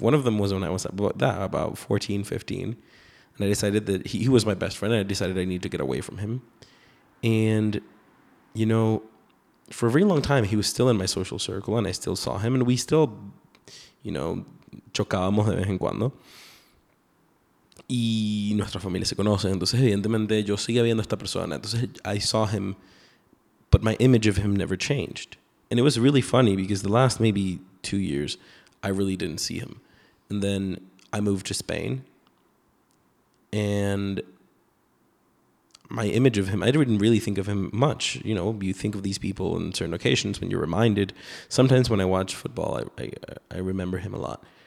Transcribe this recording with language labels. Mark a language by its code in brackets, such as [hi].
[en] One of them was when I was about 14, 15, and I decided that he was my best friend, and I decided I needed to get away from him. And, you know, for a very long time, he was still in my social circle, and I still saw him, and we still, you know, [es] chocábamos de vez en cuando. Y nuestra familia se conoce, entonces evidentemente yo seguía viendo a esta persona. [en] Entonces I saw him, but my image of him never changed. And it was really funny because the last maybe 2 years, I really didn't see him. And then I moved to Spain, and my image of him, I didn't really think of him much. You know, you think of these people in certain occasions when you're reminded. Sometimes when I watch football, I remember him a lot.